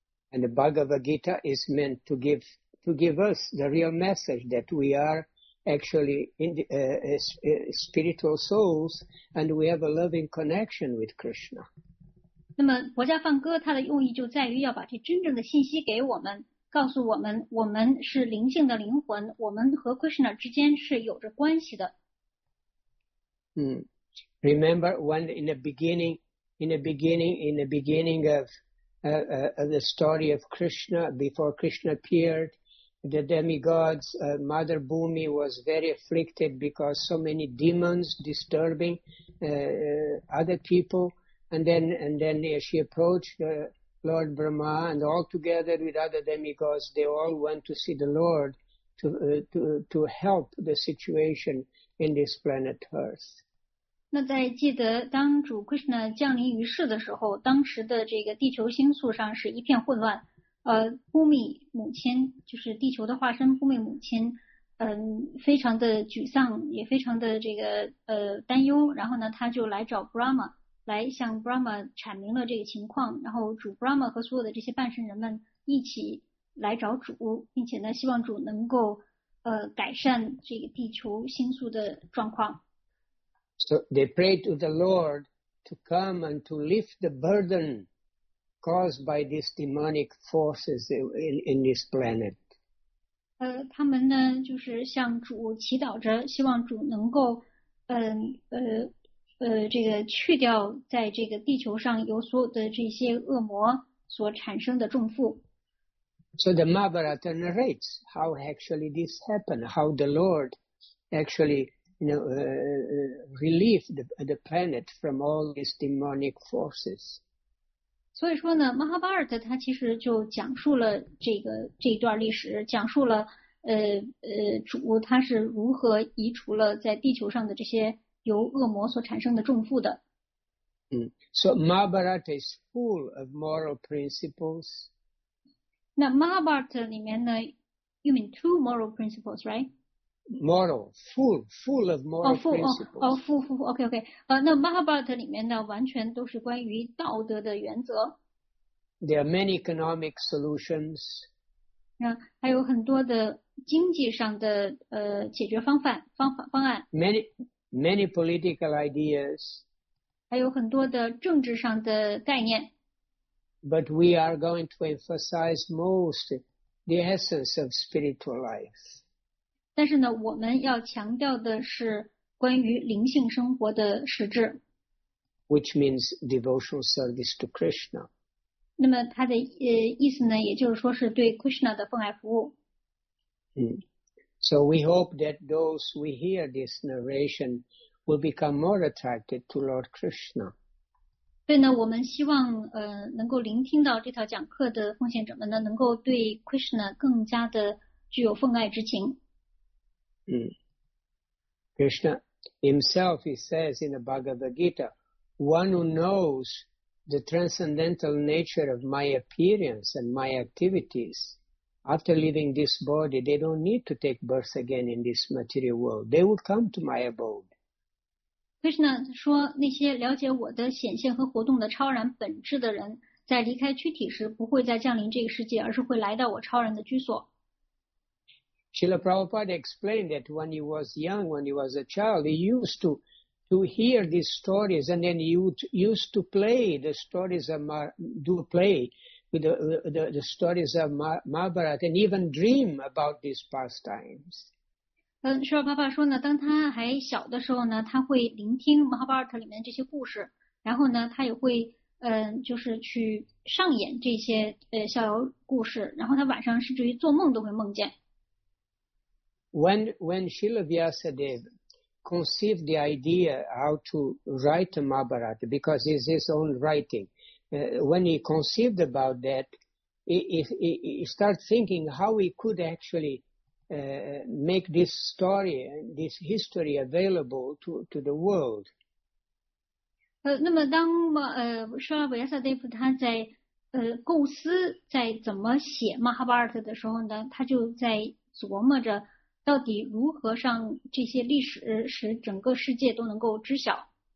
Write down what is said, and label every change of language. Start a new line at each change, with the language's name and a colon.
English: And the Bhagavad Gita is meant to give, us the real message that we are actually in the, spiritual souls and we have a loving connection with Krishna.
Chinese: 那么国家梵歌它的用意就在于要把这真正的信息给我们。告诉我们，我们是灵性的灵魂，我们和 Krishna 之间是有着关系的。
English: Remember when in the beginning of the story of Krishna, before Krishna appeared, the demigods, Mother Bhumi was very afflicted because so many demons disturbing other people, and then she approached Lord Brahma, and all together with other demigods, they all went to see the Lord to help the situation in this planet Earth.
Chinese: 那在记得当主 Krishna 降临于世的时候，当时的这个地球星宿上是一片混乱。 Bhumi 母亲就是地球的化身 ，Bhumi 母亲，非常的沮丧，也非常的这个担忧。然后呢，他就来找 Brahma。来向 Brahma 阐明了这个情况，然后主 Brahma 和所有的这些半神人们一起来找主，并且呢希望主能够改善这个地球星宿的状况。
English: So they prayed to the Lord to come and to lift the burden caused by these demonic forces in this planet.
Chinese: 他们呢就是向主祈祷着，希望主能够这个去掉在这个地球上有所有的这些恶魔所产生的重负。
English: So the Mahabharata narrates how actually this happened, how the Lord actually, you know, relieved the planet from all these demonic forces.
Chinese: 所以说呢 ，Mahabharata 他其实就讲述了这一段历史，讲述了主他是如何移除了在地球上的这些。由恶魔所产生的重负的。
English: So Mahabharata is full of moral principles.
Chinese: 那 Mahabharata 里面呢 ，
English: you mean two moral principles, right? Moral, full of moral principles.
Chinese: 哦，
English: full. OK.
Chinese: 那 Mahabharata 里面呢，完全都是关于道德的原则。
English: There are many economic solutions.
Chinese: 还有很多的经济上的解决方案。
English: Many political ideas,
Chinese: 还有很多的政治上的概念。
English: But we are going to emphasize most the essence of spiritual life.
Chinese: 但是呢，我们要强调的是关于灵性生活的实质。
English: Which means devotional service to Krishna.
Chinese: 那么它的意思呢，也就是说是对 Krishna 的奉爱服务。
English: So we hope that those who hear this narration will become more attracted to Lord Krishna.
Chinese: 对呢，我们希望能够聆听到这条讲课的奉献者们呢，能够对 Krishna 更加的具有奉爱之情。
English: Krishna himself, he says in the Bhagavad Gita, one who knows the transcendental nature of my appearance and my activities. After leaving this body, they don't need to take birth again in this material world. They will come to my abode.
Chinese: Krishna 说，那些了解我的显现和活动的超然本质的人，在离开躯体时不会再降临这个世界，而是会来到我超然的居所。
English: Srila Prabhupada explained that when he was young, when he was a child, he used to hear these stories, and then he used to play the stories of play. With the stories of Mahabharata and even dream about these pastimes.
Chinese: Srila Prabhupada 说呢，当他还小的时候呢，他会聆听 Mahabharata 里面这些故事，然后呢，他也会就是去上演这些逍遥故事，然后他晚上甚至于做梦都会梦见。
English: When Śrīla Vyāsadeva conceived the idea how to write a Mahābhārata because it's his own writing, when he conceived about that, he started thinking how he could actually make this story, this history available to the world.
Chinese: 那么当舍拉维亚萨德夫他在构思在怎么写马哈巴尔特的时候呢，他就在琢磨着到底如何让这些历史使整个世界都能够知晓。